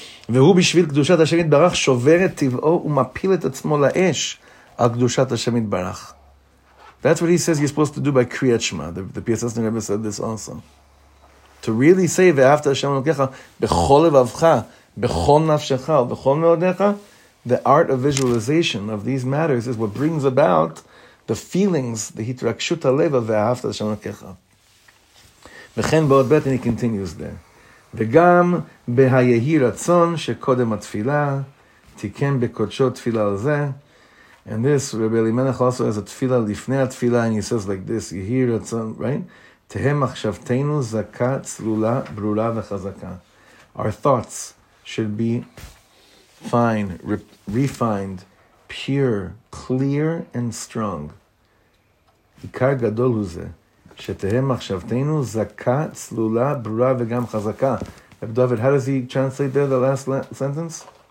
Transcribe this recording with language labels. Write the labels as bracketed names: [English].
[Hebrew] והוא בשביל קדושת השם יתברך שובר את טבעו ומפיל את עצמו לאש על קדושת השם יתברך. [English] That's what he says you're supposed to do by Kriyat Shema. The PSS Rebbe said this also. To really say, [Hebrew] ואהבת השם אלוקיך בכל לבבך, בכל נפשך, בכל מאודיך, [English] the art of visualization of these matters is what brings about the feelings, the [Hebrew] התרגשות הלב, ואהבת השם אלוקיך. וכן בעוד בית, [English] and he continues there. [Hebrew] וגם בהיהי רצון שקודם התפילה תיקן בקודשו תפילה על זה. [English] And this, Rabbi Elimelech also has a [Hebrew] תפילה לפני התפילה, [English] and he says like this, [Hebrew] יהי רצון, [English] right? [Hebrew] תהי מחשבתנו זקה צלולה ברורה וחזקה. [English] Our thoughts should be fine, refined, pure, clear and strong. [Hebrew] עיקר גדול הוא זה. [English] Rabbi David, how does he translate there, the last sentence?